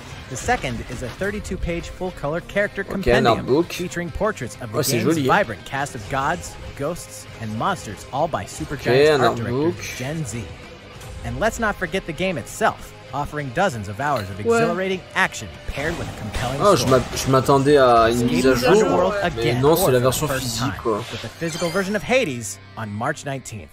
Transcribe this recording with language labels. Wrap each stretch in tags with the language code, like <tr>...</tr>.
<en>The second is a 32-page full-color character compendium featuring portraits of the game's vibrant cast of gods, ghosts, and monsters, all by Supergiant art director Gen Z. And let's not forget the game itself, offering dozens of hours of exhilarating action paired with a compelling story.</en> <fr>Oh, je m'attendais à une mise à jour, mais non, c'est la version physique, quoi.</fr> <en>With the physical version of Hades on March 19th.</en>